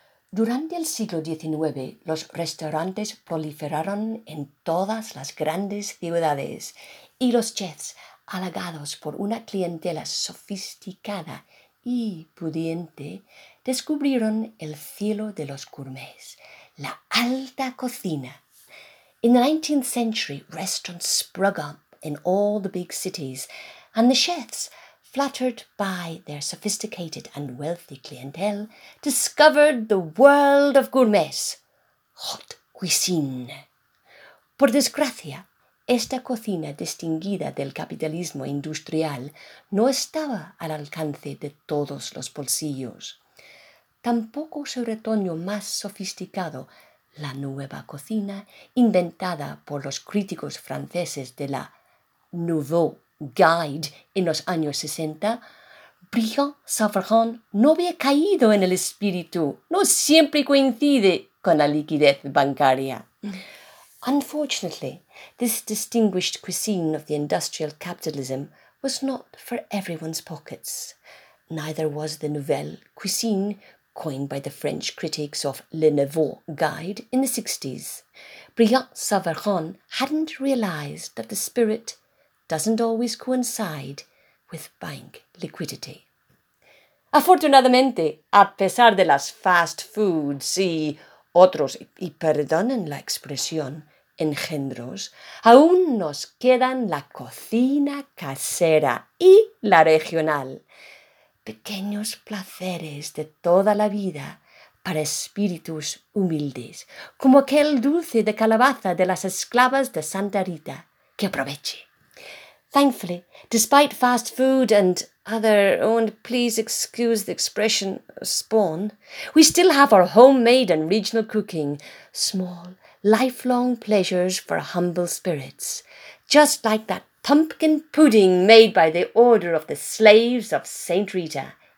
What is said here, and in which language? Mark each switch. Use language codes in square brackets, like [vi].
[es] Durante el siglo XIX, los restaurantes proliferaron en todas las grandes ciudades y los chefs, halagados por una clientela sofisticada y pudiente, descubrieron el cielo de los gourmets, la alta cocina. [en] In the 19th century, restaurants sprung up in all the big cities, and the chefs, flattered by their sophisticated and wealthy clientele, discovered the world of gourmets, hot cuisine. [es] Por desgracia, esta cocina distinguida del capitalismo industrial no estaba al alcance de todos los bolsillos. Tampoco su retoño más sofisticado, la nueva cocina, inventada por los críticos franceses de la Nouveau Guide en los años 60, Brillant Savarin no había caído en el espíritu, no siempre coincide con la liquidez bancaria. [en] Unfortunately, this distinguished cuisine of the industrial capitalism was not for everyone's pockets. Neither was the Nouvelle Cuisine, coined by the French critics of Le Nouveau Guide in the 60s. Brillant Savarin hadn't realised that the spirit doesn't always coincide with bank liquidity. [es] Afortunadamente, a pesar de las fast foods y otros, y perdonen la expresión, engendros, aún nos quedan la cocina casera y la regional. Pequeños placeres de toda la vida para espíritus humildes, como aquel dulce de calabaza de las esclavas de Santa Rita, que aproveche. [en] Thankfully, despite fast food and other, oh, and please excuse the expression, spawn, we still have our homemade and regional cooking, small, lifelong pleasures for humble spirits, just like that pumpkin pudding made by the order of the slaves of Saint Rita.